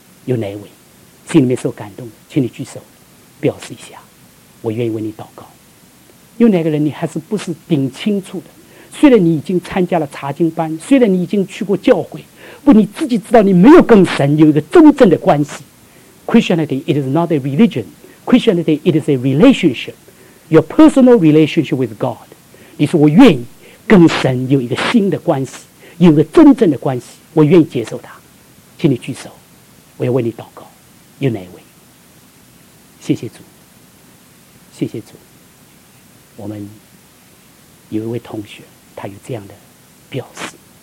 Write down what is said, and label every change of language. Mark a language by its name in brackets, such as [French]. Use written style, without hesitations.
[Chinese] 有哪位心里面受感动的，请你举手表示一下，我愿意为你祷告。有哪个人你还是不是顶清楚的，虽然你已经参加了查经班，虽然你已经去过教会，不，你自己知道你没有跟神有一个真正的关系。 [English] Christianity it is not a religionChristianity, it is a relationship, your personal relationship with God. [Chinese] 你说我愿意跟神有一个新的关系，有一个真正的关系，我愿意接受他。请你举手，我要为你祷告。有哪一位？谢谢主，谢谢主。我们有一位同学，他有这样的表示。